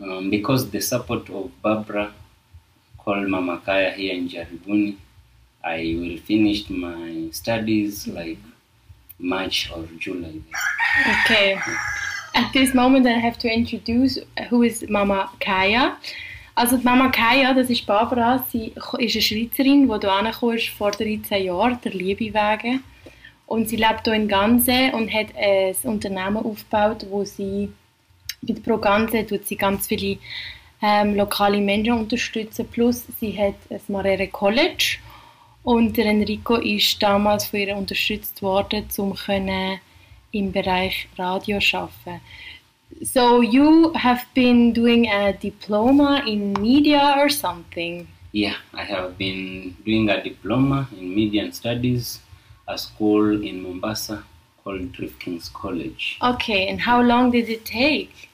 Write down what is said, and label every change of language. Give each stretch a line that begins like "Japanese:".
English: Because the support of Barbara called Mama Kaya here in Jaribuni, I will finish my studies like March or July. Okay. At this moment I have to introduce who is Mama Kaya.
German: Also die Mama Kaya, das ist Barbara, sie ist eine Schweizerin, die hier angekommen ist vor 13 Jahren, der Liebe wegen. Und sie lebt hier in Ganze und hat ein Unternehmen aufgebaut, wo sie mit Pro Ganze tut sie ganz viele lokale Menschen unterstützen. Plus sie hat ein Marere College und der Enrico ist damals von ihr unterstützt worden, um können im Bereich Radio arbeiten.
English: So you have been doing a diploma in media or something? Yeah, I have been doing a diploma in media and studies at a school in Mombasa called Rifkin's College. Okay, and how long did it take?